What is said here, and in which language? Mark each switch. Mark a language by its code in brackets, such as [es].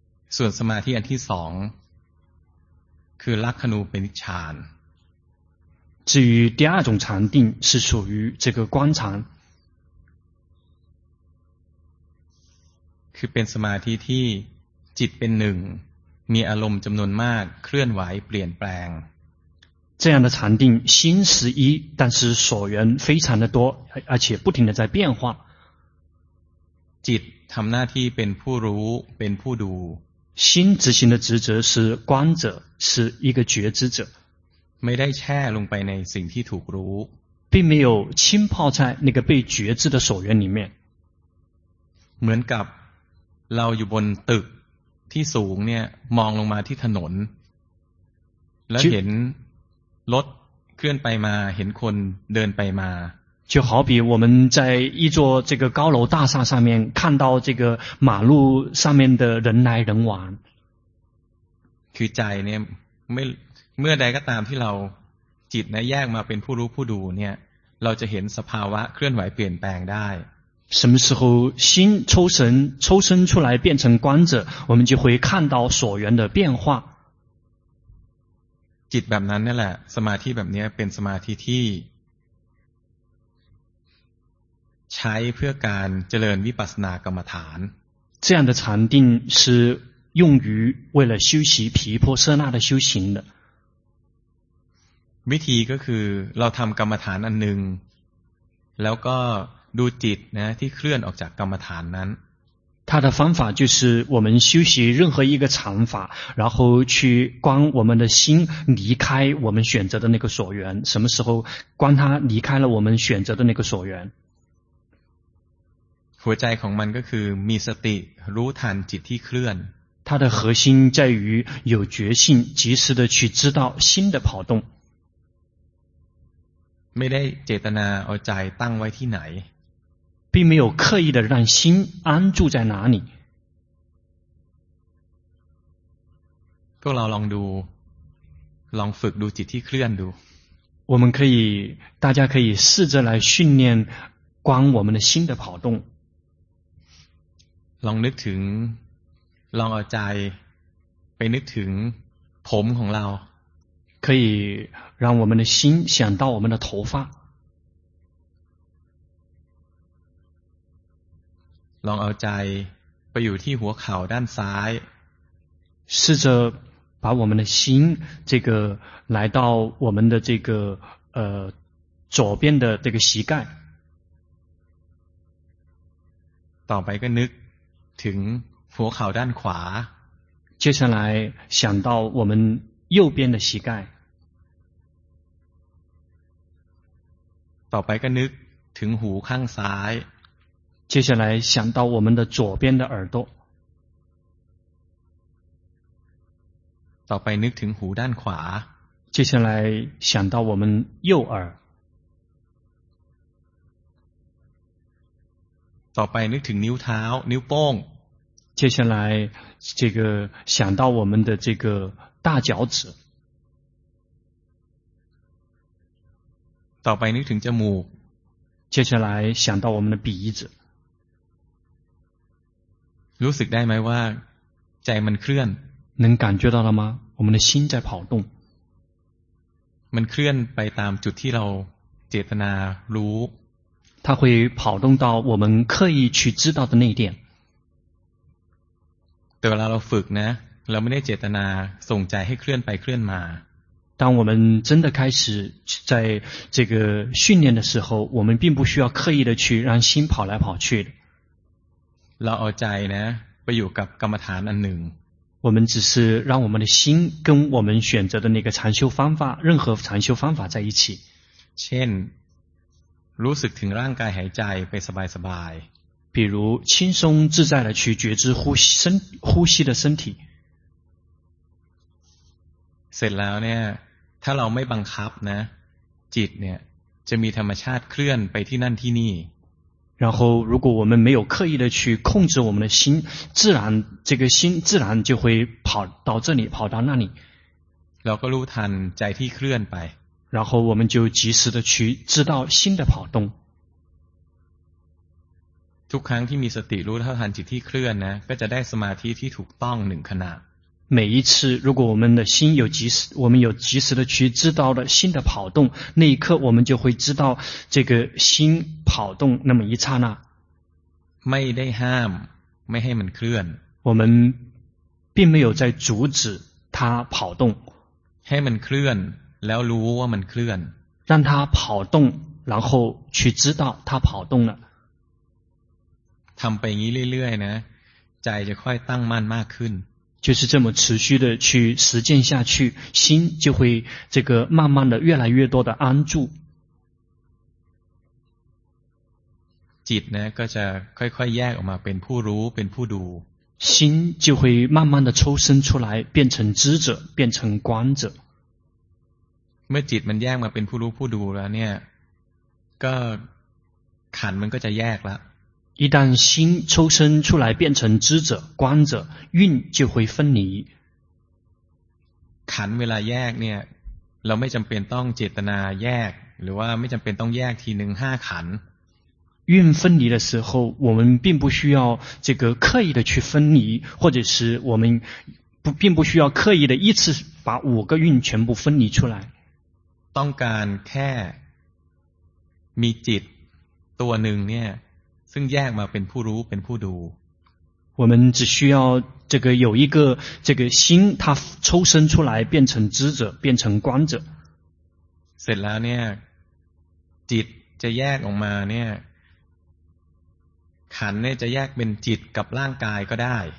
[th] ส่วนสมาธิอันที่สองคือลักขณูปนิชฌาน [zh] 至于第二种禅定是属于这个观禅 [th] คือเป็นสมาธิที่จิตเป็นหนึ่งมีอารมณ์จำนวนมากเคลื่อนไหวเปลี่ยนแปลง [zh] 这样的禅定心十一但是所缘非常的多而且不停的在变化 [th] จิตทำหน้าที่เป็นผู้รู้เป็นผู้ดู [zh] 心执行的职责是观者是一个觉知者 [th] ไม่ได้แช่ลงไปในสิ่งที่ถูกรู้ [zh] 并没有浸泡在那个被觉知的所缘里面 [th] เหมือนกับเราอยู่บนตึกที่สูงเนี่ยมองลงมาที่ถนนแล้วเห็นรถเคลื่อนไปมาเห็นคนเดินไปมา [zh] 就好比我们在一座这个高楼大厦上面看到这个马路上面的人来人往 [th] คือใจเนี่ยเมื่อใดก็ตามที่เราจิตเนี่ยแยกมาเป็นผู้รู้ผู้ดูเนี่ยเราจะเห็นสภาวะเคลื่อนไหวเปลี่ยนแปลงได้ [zh] 什么时候心抽身出来变成观者我们就会看到所缘的变化 [th] จิตแบบนั้นนี่แหละสมาธิแบบนี้เป็นสมาธิที่ใช้เพื่อการเจริญวิปัสสนากรรมฐาน [zh] 这样的禅定是用于为了修习毗婆舍那的修行的 [th] วิธีก็คือเราทำกรรมฐานอันหนึ่งแล้วก็ดูจิตนะที่เคลื่อนออกจากกรรมฐานนั้น [zh] 它的方法就是我们修习任何一个禅法然后去观我们的心离开我们选择的那个所缘什么时候观它离开了我们选择的那个所缘 [th] หัวใจของมันก็คือมีสติรู้ทันจิตที่เคลื่อน [zh] 它的核心在于有觉性及时的去知道心的跑动没得 [th] เจตนาเอาใจตั้งไว้ที่ไหน [zh] 并没有刻意的让心安住在哪里 [th] พวกเราลองดูลองฝึกดูจิตที่เคลื่อนดู [zh] 我们可以大家可以试着来训练观我们的心的跑动 [th] ลองนึกถึงลองเอาใจไปนึกถึงผมของเรา [zh] 可以让我们的心想到我们的头发 [th] ลองเอาใจไปอยู่ที่หัวเข่าด้านซ้าย [zh] 试着把我们的心这个来到我们的这个左边的这个膝盖 [th] ต่อไปก็นึกถึงหัวเข่าด้านขวา [zh] 接下来想到我们右边的膝盖 [th] ต่อไปก็นึกถึงหูข้างซ้าย [zh] 接下来想到我们的左边的耳朵 [th] ต่อไปนึกถึงหูด้านขวา [zh] 接下来想到我们右耳 [th] ต่อไปนึกถึงนิ้วเท้านิ้วโป้ง [zh] 接下来这个想到我们的这个大脚趾 [th] ต่อไปนึกถึงจมูก [zh] 接下来想到我们的鼻子 [th] รู้สึกได้ไหมว่าใจมันเคลื่อน [zh] 能感觉到了吗我们的心在跑动 [th] มันเคลื่อนไปตามจุดที่เราเจตนารู้ [zh] 它会跑动到我们刻意去知道的那一点 [th] แต่เวลาเราฝึกนะเราไม่ได้เจตนาส่งใจให้เคลื่อนไปเคลื่อนมา [zh] 当我们真的开始在这个训练的时候我们并不需要刻意的去让心跑来跑去 [th] เราเอาใจนะไปอยู่กับกรรมฐานอันหนึ่ง [zh] 我们只是让我们的心跟我们选择的那个禅修方法任何禅修方法在一起 [th] เช่นรู้สึกถึงร่างกายหายใจไปสบายสบาย [zh] 比如轻松自在的去觉知呼吸的身体 [th] เสร็จแล้วเนี่ยถ้าเราไม่บังคับนะจิตเนี่ยจะมีธรรมชาติเคลื่อนไปที่นั่นที่นี่ [zh] 然后如果我们没有刻意的去控制我们的心自然这个心自然就会跑到这里跑到那里然后 [th] ทันใจที่เคลื่อนไป [zh] 然后我们就及时的去知道心的跑动 [th] ทุกครั้งที่มีสติรู้เท่าทันจิตที่เคลื่อนนะก็จะได้สมาธิที่ถูกต้องหนึ่งขณะ [zh] 每一次如果我们的心有及时我们有及时的去知道了心的跑动那一刻我们就会知道这个心跑动那么一刹那 [th] ไม่ได้ห้ามไม่ให้มันเคลื่อน [zh] 我们并没有在阻止它跑动 [th] ให้มันเคลื่อนแล้วรู้ว่ามันเคลื่อน [zh] 让它跑动然后去知道它跑动了 [th] ทำไปอย่างนี้เรื่อยๆนะใจจะค่อยตั้งมั่นมากขึ้น [zh] 就是这么持续的去实践下去心就会这个慢慢的越来越多的安住 [th] จิตนะก็จะค่อยๆแยกออกมาเป็นผู้รู้เป็นผู้ดู [zh] 心就会慢慢的抽身出来变成知者变成观者 [th] เมื่อจิตมันแยกมาเป็นผู้รู้ผู้ดูแล้วเนี่ยก็ขันธ์มันก็จะแยกละ [zh] 一旦心抽身出来变成知者观者运就会分离 [th] ขันเวลาแยกเนี่ยเราไม่จำเป็นต้องเจตนาแยกหรือว่าไม่จำเป็นต้องแยกทีหนึ่งห้าขัน [zh] 运分离的时候我们并不需要这个刻意的去分离或者是我们不并不需要刻意的一次把五个运全部分离出来 [th] ต้องการแค่มีจิตตัวหนึ่งเนี่ยซึ่งแยกมาเป็นผู้รู้เป็นผู้ดู [zh] 我们只需要这个有一个这个心它抽身出来变成知者变成观者 [th] เสร็จแล้วเนี่ยจิตจะแยกออกมาเนี่ยขันธ์เนี่ยจะแยกเป็นจิตกับร่างกายก็ได้